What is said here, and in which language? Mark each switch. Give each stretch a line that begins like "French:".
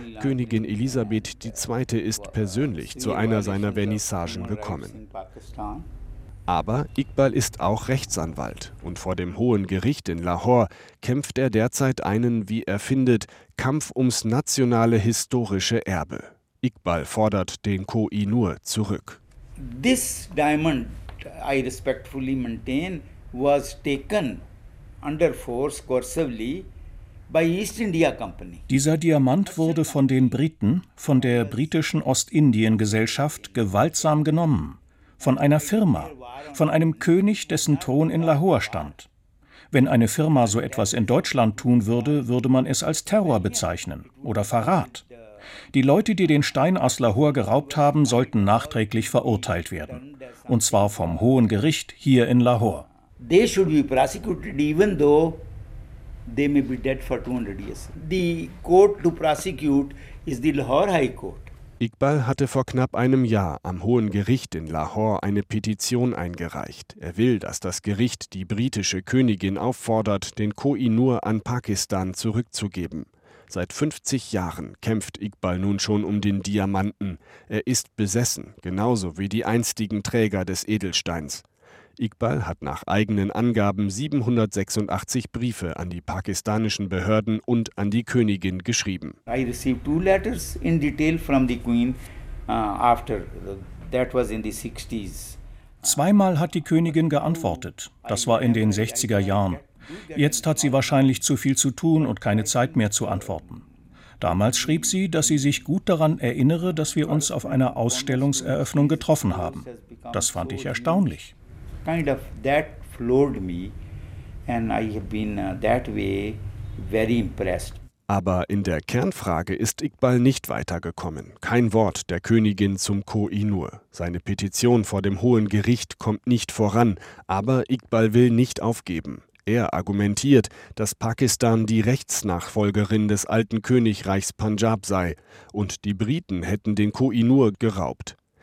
German: Königin Elisabeth II. Ist persönlich zu einer seiner Vernissagen gekommen. Aber Iqbal ist auch Rechtsanwalt. Und vor dem Hohen Gericht in Lahore kämpft er derzeit einen, wie er findet, Kampf ums nationale historische Erbe. Iqbal fordert den Koh-i-Noor zurück.
English: This diamond, I respectfully maintain, was taken under force coercively by East India Company.
German: Dieser Diamant wurde von den Briten, von der britischen Ostindien-Gesellschaft, gewaltsam genommen. Von einer Firma, von einem König, dessen Thron in Lahore stand. Wenn eine Firma so etwas in Deutschland tun würde, würde man es als Terror bezeichnen oder Verrat. Die Leute, die den Stein aus Lahore geraubt haben, sollten nachträglich verurteilt werden. Und zwar vom Hohen Gericht hier in Lahore.
English: They should be prosecuted even though they may be dead for 200 years. The court to prosecute is the Lahore High Court.
German: Iqbal hatte vor knapp einem Jahr am Hohen Gericht in Lahore eine Petition eingereicht. Er will, dass das Gericht die britische Königin auffordert, den Koh-i-Noor an Pakistan zurückzugeben. Seit 50 Jahren kämpft Iqbal nun schon um den Diamanten. Er ist besessen, genauso wie die einstigen Träger des Edelsteins. Iqbal hat nach eigenen Angaben 786 Briefe an die pakistanischen Behörden und an die Königin geschrieben.
English: I received 2 letters in detail from the Queen after that was in the 60s.
German: Zweimal hat die Königin geantwortet. Das war in den 60er Jahren. Jetzt hat sie wahrscheinlich zu viel zu tun und keine Zeit mehr zu antworten. Damals schrieb sie, dass sie sich gut daran erinnere, dass wir uns auf einer Ausstellungseröffnung getroffen haben. Das fand ich erstaunlich.
English: Kind of that floored me and I have been that way very impressed.
German: Aber in der Kernfrage ist Iqbal nicht weitergekommen. Kein Wort der Königin zum Koh-i-Noor. Seine Petition vor dem Hohen Gericht kommt nicht voran. Aber Iqbal will nicht aufgeben. Er argumentiert, dass Pakistan die Rechtsnachfolgerin des alten Königreichs Punjab sei und die Briten hätten den Koh-i-Noor geraubt.